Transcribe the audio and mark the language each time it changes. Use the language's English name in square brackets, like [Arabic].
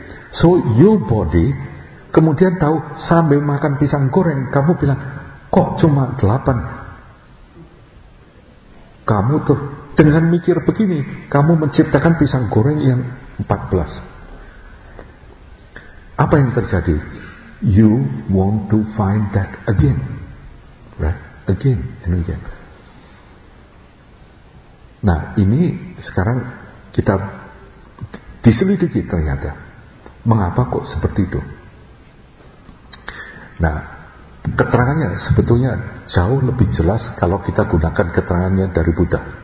[English] So your body [Indonesian] kemudian tahu, sambil makan pisang goreng kamu bilang kok cuma 8. Kamu tuh dengan mikir begini kamu menciptakan pisang goreng yang 14. Apa yang terjadi? [English] You want to find that again, right? Again and again. [Indonesian] Nah, ini sekarang kita diselidiki ternyata mengapa kok seperti itu. Nah, keterangannya sebetulnya jauh lebih jelas kalau kita gunakan keterangannya dari Buddha.